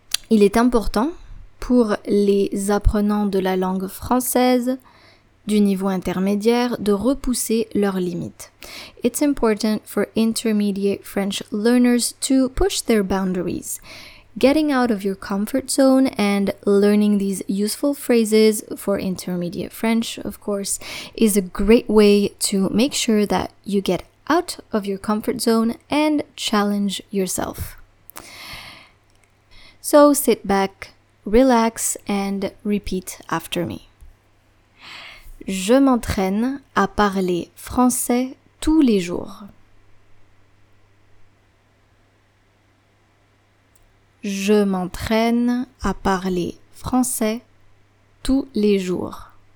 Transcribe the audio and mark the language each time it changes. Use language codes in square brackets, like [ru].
[fr] Il est important pour les apprenants de la langue française du niveau intermédiaire de repousser leurs limites. [en] It's important for intermediate French learners to push their boundaries. Getting out of your comfort zone and learning these useful phrases for intermediate French, of course, is a great way to make sure that you get out of your comfort zone and challenge yourself. So sit back, relax, and repeat after me. [fr] Je m'entraîne à parler français tous les jours. Je m'entraîne à parler français tous les jours.